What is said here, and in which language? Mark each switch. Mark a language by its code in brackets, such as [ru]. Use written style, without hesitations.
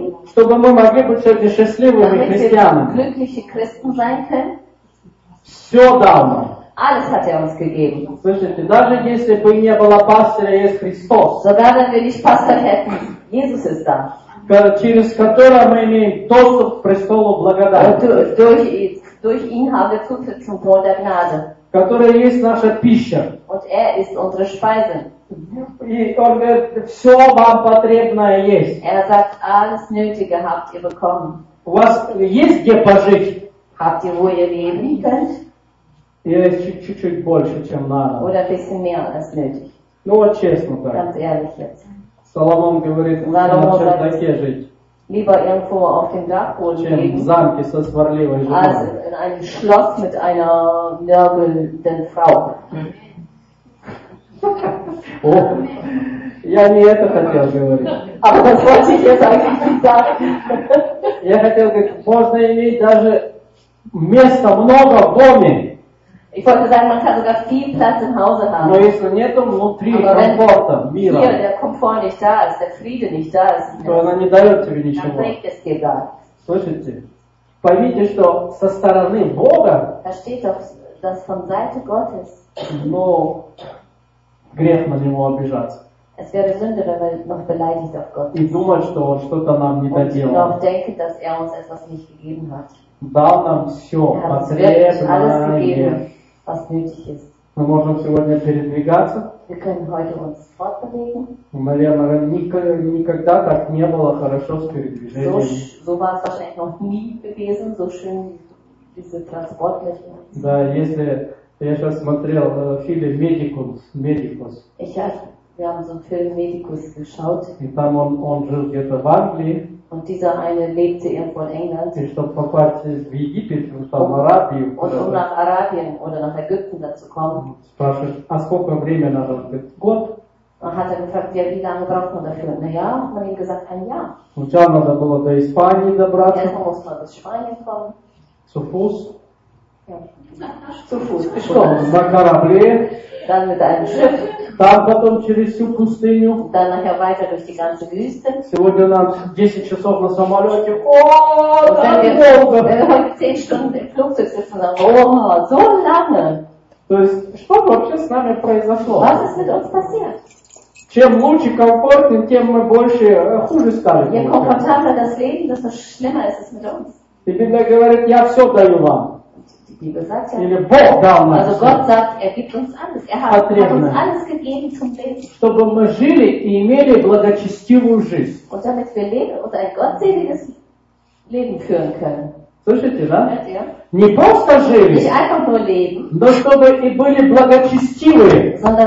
[ru] Чтобы мы могли быть эти счастливыми христианами. Все дал нам. [de] Alles hat uns gegeben. [ru] Слышите, даже если бы не было пастыря, есть Христос. [de] Sogar wenn wir nicht Pastor hätten, Jesus ist da. [ru] Через которого мы имеем доступ к престолу благодати. [de] Durch ihn haben wir Zutritt zum Thron der Gnade. [ru] Которая есть наша пища. [de] Und er ist unsere Speise. [ru] И он говорит, все вам потребное есть. [de] Er sagt, alles Nötige habt ihr bekommen. [ru] У вас есть где пожить? [de] Habt ihr, wo ihr leben könnt? [ru] Или чуть-чуть больше, чем надо. [de] Oder ein bisschen mehr als nötig. [ru] Ну вот честно так. [de] Ganz ehrlich jetzt. [ru] Соломон говорит, надо на чердаке жить. [de] Lieber irgendwo auf dem Dachboden leben, als in einem Schloss mit einer nörgelnden Frau. [ru] Oh, я не это хотел говорить. [de] Aber das wollte ich jetzt eigentlich nicht sagen. [ru] Я хотел говорить, можно иметь даже места много в доме. [de] Ich wollte sagen, man kann sogar viel Platz im Hause haben. [ru] Но если нету внутри комфорта, мира. [de] Hier der Komfort nicht da ist, der Friede nicht da ist. [ru] То она не дает тебе ничего. [de] Dann bringt es dir gar. [ru] Слышите? Поймите, что со стороны Бога. [de] Versteht doch, dass von Seite Gottes. [ru] Но грех на него обижаться. [de] Es wäre Sünde, wenn wir noch beleidigt auf Gott. [ru] И думать, что он что-то нам не доделал. [de] Und noch denken, dass er uns etwas nicht gegeben hat. [ru] Дал нам все потребное. [de] Was nötig ist. [ru] Мы можем сегодня передвигаться. [de] Wir können heute uns fortbewegen. [ru] Наверное, никогда так не было хорошо с передвижением. [de] So war es wahrscheinlich noch nie gewesen, so schön diese Transportmittel. [ru] Да, если я сейчас смотрел фильм Medicus. [de] Wir haben so einen Film Medicus geschaut. [ru] И там он жил где-то в Англии. [de] Und dieser eine lebte irgendwo in England. [ru] И чтобы попасть в Египет, в Саударабию. [de] Und um nach Arabien oder nach Ägypten dazu kommen. [ru] Спрашивает, а сколько времени надо быть? Год. [de] Man hat gefragt, ja, wie lange braucht man dafür? Na ja, man ihm gesagt, ein Jahr. [ru] Сначала надо было до Испании добраться. [de] Erstmal muss man bis Spanien kommen. Zu Fuß. Zu Fuß. [ru] На корабле. [de] Dann mit einem Schiff. [ru] Там потом через всю пустыню. [de] Да, nachher weiter durch die ganze Wüste. [ru] Сегодня нам 10 часов на самолете. Ооо, так долго. Мы 10 часов в [de] Flugzeug sitzen. Ооо, so lange. [ru] То есть, что вообще с нами произошло? [de] Was ist mit uns passiert? [ru] Чем лучше, комфортнее, тем мы больше хуже стали. [de] Je komfortabler das Leben, desto schlimmer ist es mit uns. [ru] И Библия говорит, я все даю вам. Или Бог дал нам все. Потребно. Чтобы мы жили и имели благочестивую жизнь. [de] Und damit wir leben und ein gottseliges Leben führen können. [ru] Слышите, да? Не просто жили, но чтобы и были благочестивые.